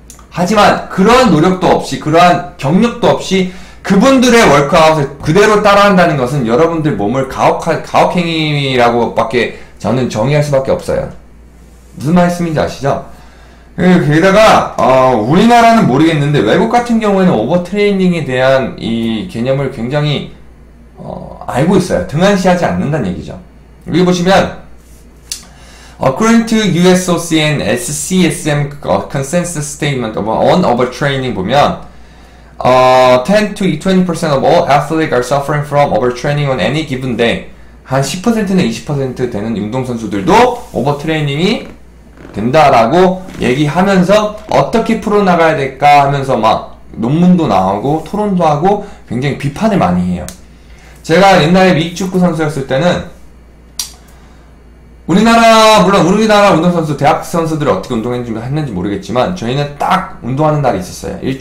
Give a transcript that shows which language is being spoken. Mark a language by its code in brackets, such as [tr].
[ko] 하지만 그러한 노력도 없이, 그러한 경력도 없이 그분들의 워크아웃을 그대로 따라한다는 것은 여러분들 몸을 가혹행위라고 밖에 저는 정의할 수밖에 없어요. 무슨 말씀인지 아시죠? 게다가 우리나라는 모르겠는데 외국 같은 경우에는 오버트레이닝에 대한 이 개념을 굉장히 알고 있어요. 등한시하지 않는다는 얘기죠. 여기 보시면 [en] According to USOC and SCSM Consensus Statement on Overtraining [ko] 보면 [en] 10 to 20% of all athletes are suffering from overtraining on any given day. [ko] 한 10%나 20% 되는 운동선수들도 오버트레이닝이 된다라고 얘기하면서 어떻게 풀어나가야 될까 하면서 막 논문도 나오고 토론도 하고 굉장히 비판을 많이 해요. 제가 옛날에 미축구 선수였을 때는 우리나라 운동선수, 대학 선수들이 어떻게 운동했는지 모르겠지만 저희는 딱 운동하는 날이 있었어요.